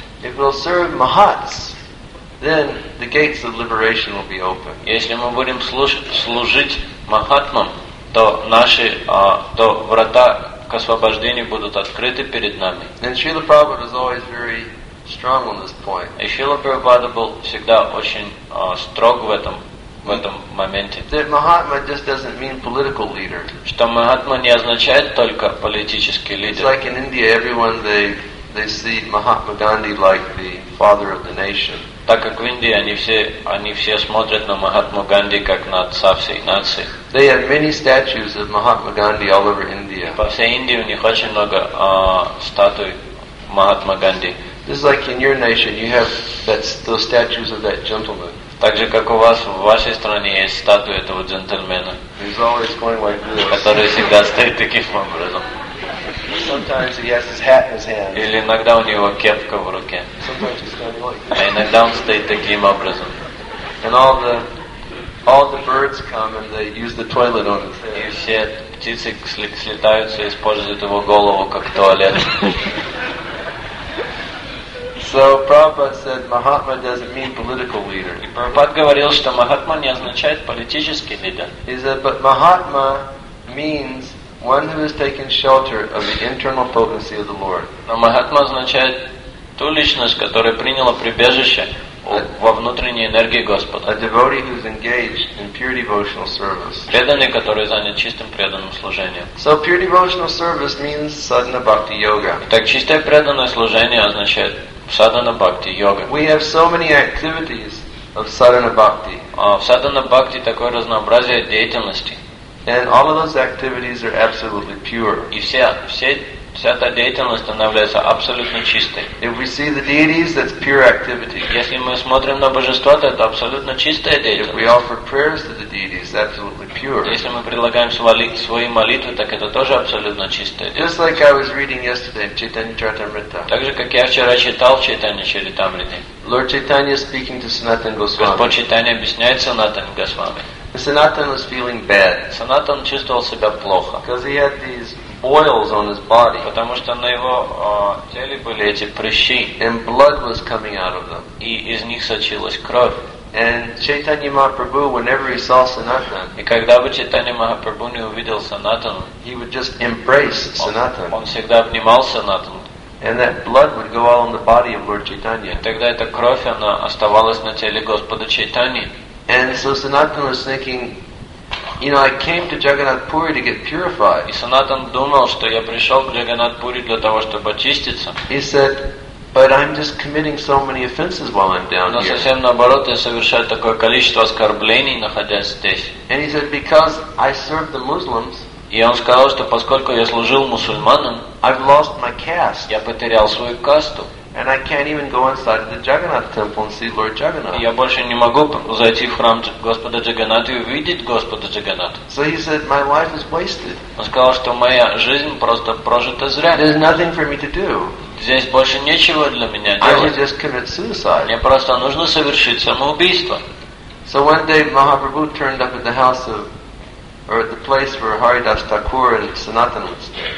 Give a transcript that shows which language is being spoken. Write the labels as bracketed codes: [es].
[en] If we'll serve mahats, then the gates of liberation will be open. [ru] Если мы будем служить махатмам, то наши то врата к освобождению будут открыты перед нами. [en] And Srila Prabhupada is always very strong on this point. [ru] И Шрила Прабхупада был всегда очень строг в этом. В этом моменте. [en] That Mahatma just doesn't mean political leader. [ru] Что Махатма не означает только политический лидер. [en] It's like in India, everyone they see Mahatma Gandhi like the father of the nation. [ru] Так как в Индии они все смотрят на Махатму Ганди как на отца всей нации. [en] They have many statues of Mahatma Gandhi all over India. [ru] По всей Индии у них очень много статуй Махатма Ганди. [en] It's like in your nation, you have those statues of that gentleman. [ru] Так же, как у вас, в вашей стране есть статуя этого джентльмена, [en] he's always going like this. [ru] Который всегда стоит таким образом. [en] Sometimes he has his hat in his hand. [ru] Или иногда у него кепка в руке. [en] Sometimes he's standing like this. [ru] А иногда он стоит таким образом. [en] And all the birds come and they use the toilet on his head. [ru] И все птицы слетаются и используют его голову как туалет. [en] So Prabhupada said Mahatma doesn't mean political leader. [ru] Prabhupada говорил, что Махатма не означает политический лидер. [en] He said, but Mahatma means one who has taken shelter of the internal potency of the Lord. [ru] Но Махатма означает ту личность, которая приняла прибежище во внутренней энергии Господа. [en] A devotee who is engaged in pure devotional service. [ru] Преданный, который занят чистым преданным служением. [en] So pure devotional service means sadhana bhakti yoga. [ru] Так чистое преданное служение означает Sadhana Bhakti Yoga. [en] We have so many activities of Sadhana Bhakti. [ru] В Sadhana Bhakti такое разнообразие деятельности. [en] And all of those activities are absolutely pure. [ru] И вся эта деятельность становится абсолютно чистой. [en] If we see the deities, that's pure activity. [ru] Если мы смотрим на божества, то это абсолютно чистая деятельность. [en] If we offer prayers to the deities, that's absolutely pure. [ru] Если мы предлагаем свои молитвы, так это тоже абсолютно чистая деятельность. [en] Just like I was reading yesterday in Chaitanya Charitamrita. [ru] Так же, как я вчера читал в Chaitanya Charitamrita. [en] Lord Chaitanya speaking to Sanatana Goswami. [ru] Господь Chaitanya объясняет Sanatana Goswami. [en] Sanatana was feeling bad. [ru] Sanatana чувствовал себя плохо. [en] Because he had these boils on his body. [ru] Потому что на его теле были эти прыщи. [en] And blood was coming out of them. [ru] И из них сочилась кровь. [en] And Chaitanya Mahaprabhu, whenever he saw Sanatan, [ru] и когда бы Чайтанья Махапрабху не увидел Санатан, [en] he would just embrace Sanatan. [ru] Он всегда обнимал Санатан. [en] And that blood would go all on the body of Lord Chaitanya. [ru] И тогда эта кровь она оставалась на теле Господа Чайтаньи. [en] And so Sanatan was thinking, you know, I came to Jagannath Puri to get purified. [ru] И Санатан думал, что я пришел к Джаганнат Пури для того, чтобы очиститься. [en] He said, but I'm just committing so many offenses while I'm down here. [ru] Но совсем наоборот, я совершаю такое количество оскорблений, находясь здесь. [en] And he said, because I served the Muslims. [ru] И он сказал, что поскольку я служил мусульманам, [en] I've lost my caste. [ru] Я потерял свою касту. [en] And I can't even go inside the Jagannath temple and see Lord Jagannath. [ru] Я больше не могу зайти в храм Господа Джагганнатха и увидеть Господа Джагганнатха. [en] So he said, my life is wasted. [ru] Он сказал, что моя жизнь просто прожита зря. [en] There's nothing for me to do. [ru] Здесь больше нечего для меня делать. [en] I should just commit suicide. [ru] Мне просто нужно совершить самоубийство. [en] So one day Mahaprabhu turned up at the house of or at the place where Haridas Thakur and Sanatan would stay.